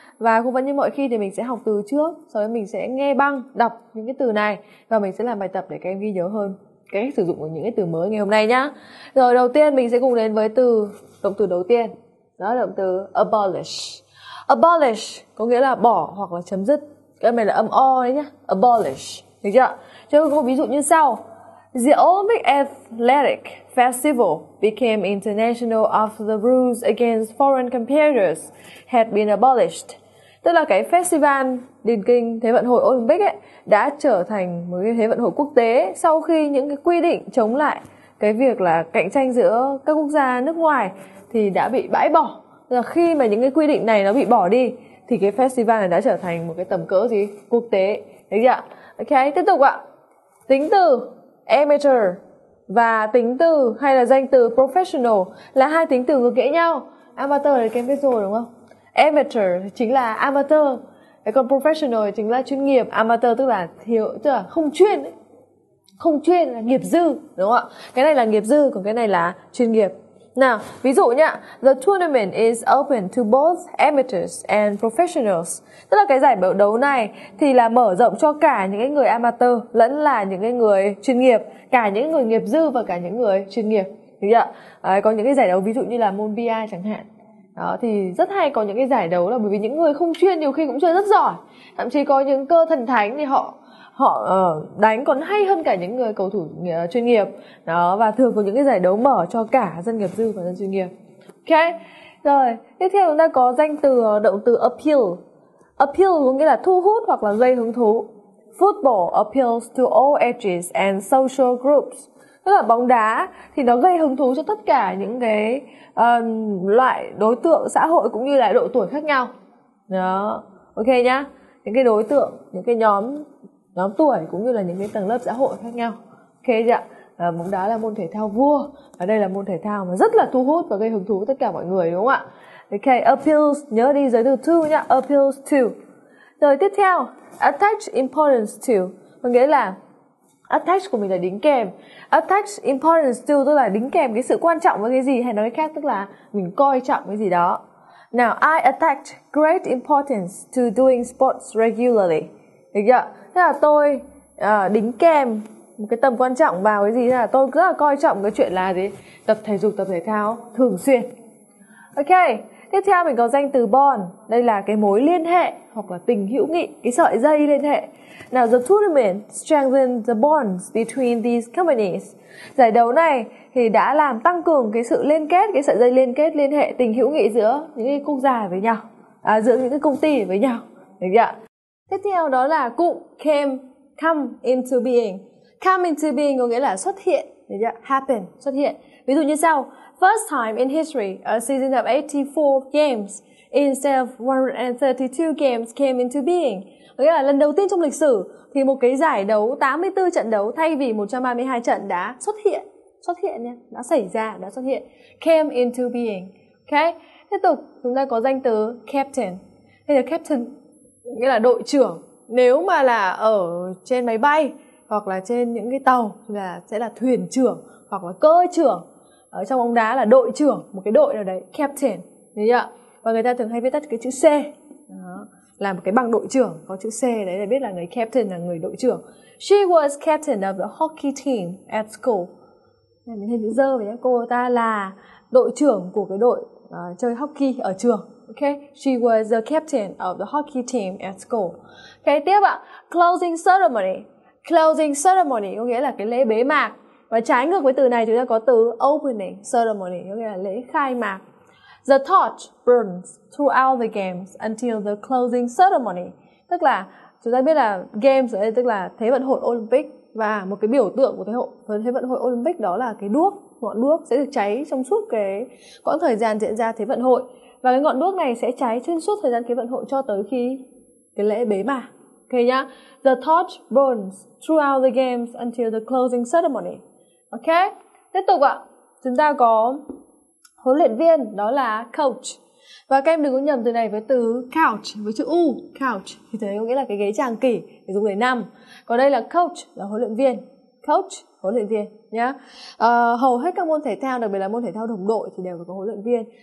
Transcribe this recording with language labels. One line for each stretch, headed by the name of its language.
Vietnamese: Và cũng vẫn như mọi khi thì mình sẽ học từ trước, sau đó mình sẽ nghe băng, đọc những cái từ này và mình sẽ làm bài tập để các em ghi nhớ hơn cách sử dụng của những cái từ mới ngày hôm nay nhá. Rồi đầu tiên mình sẽ cùng đến với từ, động từ đầu tiên. Đó là động từ abolish. Abolish có nghĩa là bỏ hoặc là chấm dứt. Cái này là âm O đấy nhá. Abolish. Được chưa? Cho nên có một ví dụ như sau.
English: The Olympic Athletic Festival became international after the rules against foreign competitors had been abolished.
Vietnamese: Tức là cái festival điền kinh Thế vận hội Olympic ấy đã trở thành một cái Thế vận hội quốc tế sau khi những cái quy định chống lại cái việc là cạnh tranh giữa các quốc gia nước ngoài thì đã bị bãi bỏ. Tức là khi mà những cái quy định này nó bị bỏ đi thì cái festival này đã trở thành một cái tầm cỡ gì? Quốc tế. Đấy chứ ạ? Ok, tiếp tục ạ. Tính từ amateur và tính từ hay là danh từ professional là hai tính từ ngược nghĩa nhau. Amateur thì các em biết rồi đúng không? Amateur chính là amateur, còn professional chính là chuyên nghiệp. Amateur tức là thiếu, tức là không chuyên, không chuyên là nghiệp dư đúng không ạ? Cái này là nghiệp dư, còn cái này là chuyên nghiệp. Nào ví dụ nhá,
English: the tournament is open to both amateurs and professionals.
Vietnamese: Tức là cái giải đấu này thì là mở rộng cho cả những cái người amateur lẫn là những cái người chuyên nghiệp, cả những người nghiệp dư và cả những người chuyên nghiệp. Thì ạ, có những cái giải đấu ví dụ như là môn bi chẳng hạn. Đó thì rất hay có những cái giải đấu là bởi vì những người không chuyên nhiều khi cũng chơi rất giỏi, thậm chí có những cơ thần thánh thì họ đánh còn hay hơn cả những người cầu thủ chuyên nghiệp đó, và thường có những cái giải đấu mở cho cả dân nghiệp dư và dân chuyên nghiệp. Ok, rồi tiếp theo chúng ta có danh từ động từ appeal. Appeal có nghĩa là thu hút hoặc là gây hứng thú.
English: Football appeals to all ages and social groups.
Vietnamese: Tức là bóng đá thì nó gây hứng thú cho tất cả những cái loại đối tượng xã hội cũng như là độ tuổi khác nhau. Đó, ok nhá. Những cái đối tượng, những cái nhóm tuổi cũng như là những cái tầng lớp xã hội khác nhau. Ok chưa ạ? Bóng đá là môn thể thao vua. Và đây là môn thể thao mà rất là thu hút và gây hứng thú tất cả mọi người đúng không ạ? Ok, appeals, nhớ đi giới từ to nhá, appeals to. Rồi tiếp theo, attach importance to. Có nghĩa là attach của mình là đính kèm. Attach importance to tức là đính kèm cái sự quan trọng với cái gì, hay nói khác tức là mình coi trọng cái gì đó.
English: Now, I attach great importance to doing sports regularly.
Vietnamese: Được chưa? Thế là tôi đính kèm một cái tầm quan trọng vào cái gì, thế là tôi rất là coi trọng cái chuyện là gì? Tập thể dục, tập thể thao thường xuyên. Ok, tiếp theo mình có danh từ bond. Đây là cái mối liên hệ hoặc là tình hữu nghị, cái sợi dây liên hệ.
English: Now, the tournament strengthened the bonds between these companies.
Vietnamese: Giải đấu này thì đã làm tăng cường cái sự liên kết, cái sợi dây liên kết, liên hệ, tình hữu nghị giữa những cái quốc gia với nhau, giữa những cái công ty với nhau. Được chưa? Tiếp theo đó là cụm come into being. Come into being có nghĩa là xuất hiện. Được chưa?
English: Happen,
Vietnamese: xuất hiện. Ví dụ như sau.
English: First time in history, a season of 84 games instead of 132 games came into being.
Vietnamese: Nghĩa là lần đầu tiên trong lịch sử thì một cái giải đấu 84 trận đấu thay vì 132 trận đã xuất hiện. Xuất hiện nha, đã xảy ra, đã xuất hiện. Came into being. Ok, tiếp tục chúng ta có danh từ captain. Đây là captain, nghĩa là đội trưởng. Nếu mà là ở trên máy bay hoặc là trên những cái tàu thì là sẽ là thuyền trưởng hoặc là cơ trưởng. Ở trong bóng đá là đội trưởng, một cái đội nào đấy, captain. Đấy ạ. Và người ta thường hay viết tắt cái chữ C. Đó. Là một cái bằng đội trưởng, có chữ C đấy là biết là người captain, là người đội trưởng.
English: She was captain of the hockey team at school.
Vietnamese: Này, mình hình chữ dơ vậy nhé. Cô ta là đội trưởng của cái đội chơi hockey ở trường.
English: Ok, she was the captain of the hockey team at school.
Vietnamese: Ok, tiếp ạ. Closing ceremony. Closing ceremony có nghĩa là cái lễ bế mạc. Và trái ngược với từ này chúng ta có từ opening ceremony, có nghĩa là lễ khai mạc.
English: The torch burns throughout the games until the closing ceremony.
Vietnamese: Tức là chúng ta biết là games ở đây tức là Thế vận hội Olympic, và một cái biểu tượng của Thế vận hội Olympic đó là cái đuốc, ngọn đuốc sẽ được cháy trong suốt cái quãng thời gian diễn ra Thế vận hội, và cái ngọn đuốc này sẽ cháy trên suốt thời gian Thế vận hội cho tới khi cái lễ bế mạc. Ok,
English: Okay, yeah. The torch burns throughout the games until the closing ceremony.
Vietnamese: Okay. Tiếp tục ạ. Chúng ta có huấn luyện viên, đó là coach. Và các em đừng có nhầm từ này với từ couch, với chữ U, couch. Thì thế có nghĩa là cái ghế tràng kỷ để dùng để nằm. Còn đây là coach, là huấn luyện viên. Coach, huấn luyện viên nhá. Hầu hết các môn thể thao, đặc biệt là môn thể thao đồng đội thì đều phải có huấn luyện viên.